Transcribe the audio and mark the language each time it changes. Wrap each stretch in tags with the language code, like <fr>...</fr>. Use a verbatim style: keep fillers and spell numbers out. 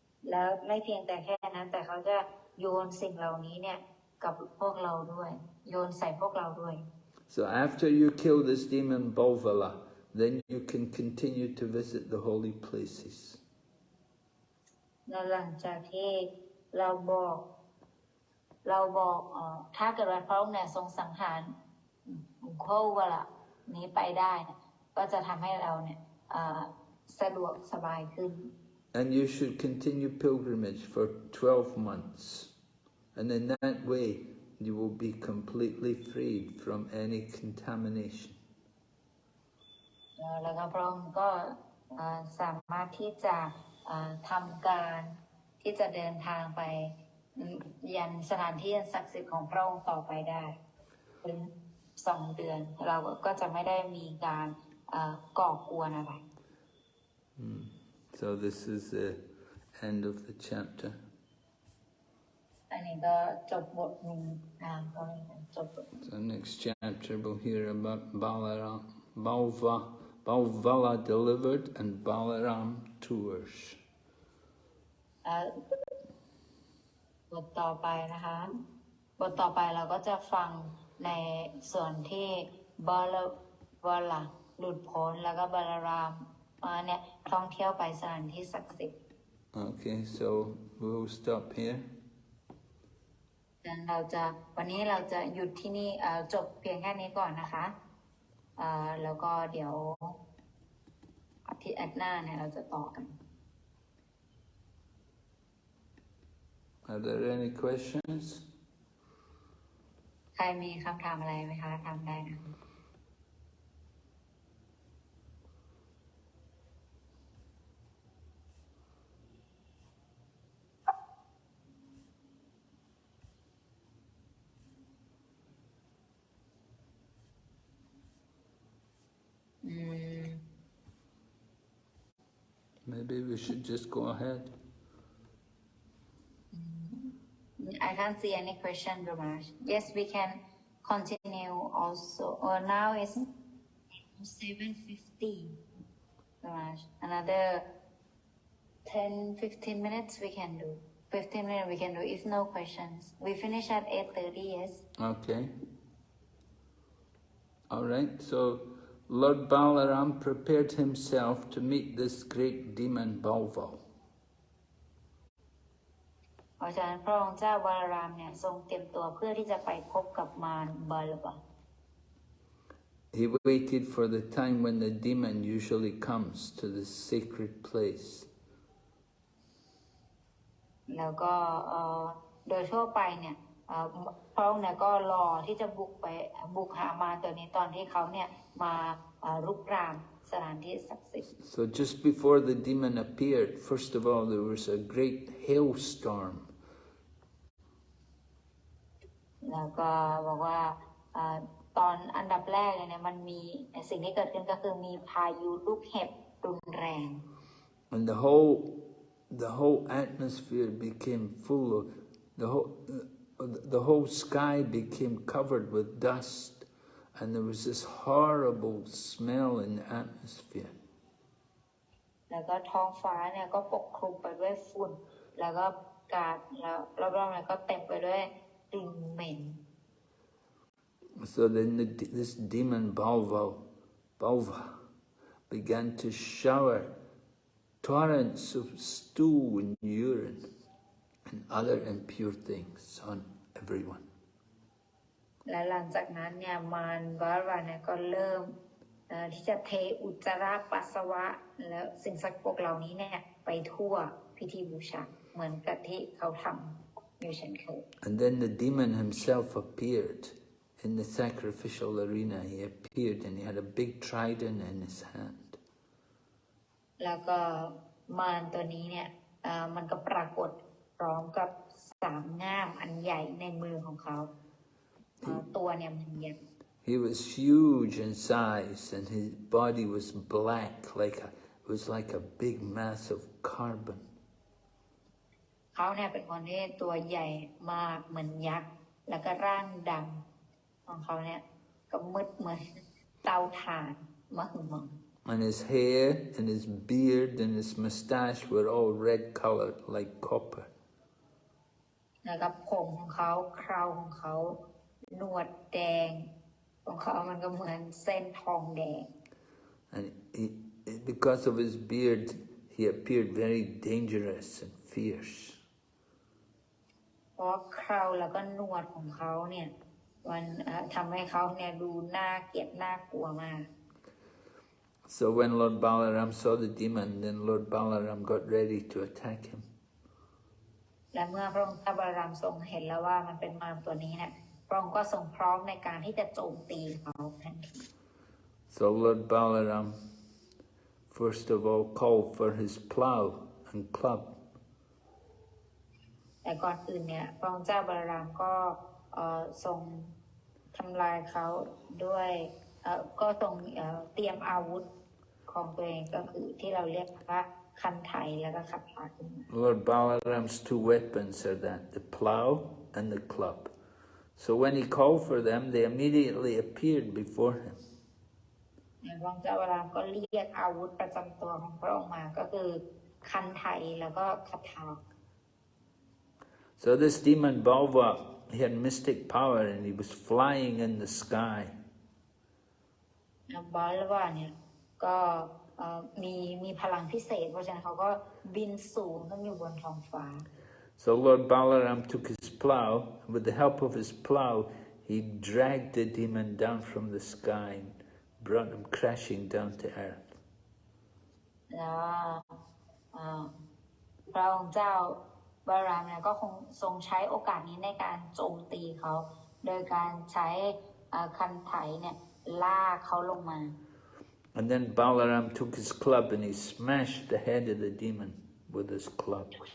<th>แล้วไม่เพียงแต่แค่นั้นแต่เขาจะโยนสิ่งเหล่านี้เนี่ยกับพวกเราด้วย โยนใส่พวกเราด้วย</th> <en>So after you kill this demon Balvala, then you can continue to visit the holy places.</en> <th>แล้วหลังจากที่เราบอกเราบอกเอ่อถ้าเกิดว่าพระองค์เนี่ยทรงสังหารบุคคลว่าละนี้ไปได้เนี่ยก็จะทำให้เราเนี่ยเอ่อสะดวกสบายขึ้น</th> <en>And you should continue pilgrimage for twelve months. And in that way, you will be completely freed from any contamination.</en> <th>เอ่อแล้วก็พระองค์ก็เอ่อสามารถที่จะเอ่อทำการที่จะเดินทางไปยันสถานที่อันศักดิ์สิทธิ์ของพระองค์ต่อไปได้เป็นสองเดือนเราก็จะไม่ได้มีการเอ่อก่อกวนอะไร</th> <en>So this is the end of the chapter.</en> <th>อันนี้ก็จบบทนี้อ่าก็จบบท</th> <en>So next chapter we'll hear about Balaram, Balva, Balvala delivered and Balaram tours.</en> <th>เอ่อบทต่อไปนะคะบทต่อไปเราก็จะฟังในส่วนที่บาลบาลาหลุดพ้นแล้วก็บาลารามมาเนี่ยท่องเที่ยวไปสถานที่ศักดิ์สิทธิ์</th> <en>Okay, so we'll stop here.</en> <th>ดังนั้นเราจะวันนี้เราจะหยุดที่นี่เอ่อจบเพียงแค่นี้ก่อนนะคะเอ่อแล้วก็เดี๋ยวอาทิตย์หน้าเนี่ยเราจะต่อกัน</th> <en>Are there any questions?</en> <th>ใครมีคำถามอะไรไหมคะถามได้นะ อืม</th> <en>Maybe we should just go ahead. I can't see any question, Ramaj. Yes, we can continue also. Or now it's seven fifty, Ramaj. Another ten, fifteen minutes we can do. fifteen minutes we can do if no questions. We finish at eight thirty, yes? Okay. All right, so Lord Balaram prepared himself to meet this great demon Balval.</en> <th>เพราะฉะนั้นพระองค์เจ้าบาลารามเนี่ยทรงเตรียมตัวเพื่อที่จะไปพบกับมารบาลบา</th> <en>He waited for the time when the demon usually comes to this sacred place.</en> <th>แล้วก็เอ่อโดยทั่วไปเนี่ย เอ่อพระองค์เนี่ยก็รอที่จะบุกไปบุกหามารตัวนี้ตอนที่เขาเนี่ยมาเอ่อรุกรานสถานที่ศักดิ์สิทธิ์</th> <en>So just before the demon appeared, first of all, there was a great hailstorm.</en> <th>แล้วก็บอกว่าเอ่อตอนอันดับแรกเลยเนี่ยมันมีสิ่งที่เกิดขึ้นก็คือมีพายุลูกเห็บรุนแรง</th> <en>And the whole, the whole atmosphere became full of, the whole, the whole sky became covered with dust, and there was this horrible smell in the atmosphere.</en> <th>แล้วก็ท้องฟ้าเนี่ยก็ปกคลุมไปด้วยฝุ่น แล้วก็กาดแล้วรอบๆเนี่ยก็เต็มไปด้วยกลิ่นเหม็น</th> <en>So then the, de- this demon Balva, Balva began to shower torrents of stool and urine and other impure things on everyone.</en> <th>และหลังจากนั้นเนี่ยมารวารวาเนี่ยก็เริ่มเอ่อที่จะเทอุจจาระปัสสาวะ แล้วสิ่งสกปรกเหล่านี้เนี่ยไปทั่วพิธีบูชาเหมือนกับที่เขาทำอยู่เช่นเคย</th> <en>And then the demon himself appeared in the sacrificial arena. He appeared and he had a big trident in his hand.</en> <th>แล้วก็มารตัวนี้เนี่ยเอ่อมันก็ปรากฏพร้อมกับสามง่ามอันใหญ่ในมือของเขาเอ่อตัวเนี่ยมันเย็น</th> <en>He was huge in size and his body was black, like a, it was like a big mass of carbon.</en> <th>เขาเนี่ยเป็นคนที่ตัวใหญ่มากเหมือนยักษ์แล้วก็ร่างดำของเขาเนี่ยก็มืดเหมือนเตาถ่านมหึมัง</th> <en>And his hair and his beard and his moustache were all red colored like copper.</en> <th>แล้วก็ผมของเขาเคราของเขาหนวดแดงของเขามันก็เหมือนเส้นทองแดง</th> <en>And he, because of his beard, he appeared very dangerous and fierce.</en> <th>เพราะเคราแล้วก็หนวดของเขาเนี่ยมันเอ่อทำให้เขาเนี่ยดูน่าเกลียดน่ากลัวมาก</th> <en>So when Lord Balaram saw the demon, then Lord Balaram got ready to attack him.</en> <th>และเมื่อพระองค์ทับบารามทรงเห็นแล้วว่ามันเป็นมารตัวนี้นะพระองค์ก็ทรงพร้อมในการที่จะโจมตีเขาทันที</th> <en>So Lord Balaram, first of all, called for his plow and club.</en> <th>แต่ก่อนอื่นเนี่ยพระองค์เจ้าบารามก็เอ่อทรงทำลายเขาด้วยเอ่อก็ทรงเอ่อเตรียมอาวุธของตัวเองก็คือที่เราเรียกว่าคันไถแล้วก็ขับพาขึ้นมา</th> <en>Lord Balaram's two weapons are that, the plow and the club. So when he called for them, they immediately appeared before him.</en> <th>แล้วพระองค์เจ้าบารามก็เรียกอาวุธประจำตัวของพระองค์มาก็คือคันไถแล้วก็คาถา</th> <en>So this demon Balva, he had mystic power and he was flying in the sky.</en> <th>นะบอลว่าเนี่ยก็เอ่อมีมีพลังพิเศษ เพราะฉะนั้นเขาก็บินสูงขึ้นอยู่บนท้องฟ้า</th> <en>So Lord Balaram took his plow, and with the help of his plow, he dragged the demon down from the sky and brought him crashing down to earth.</en> <th>แล้วเอ่อพระองค์เจ้าบารามเนี่ยก็คงทรงใช้โอกาสนี้ในการโจมตีเขา โดยการใช้เอ่อคันไถเนี่ยลากเขาลงมา</th> <en>And then Balaram took his club and he smashed the head of the demon with his club.</en>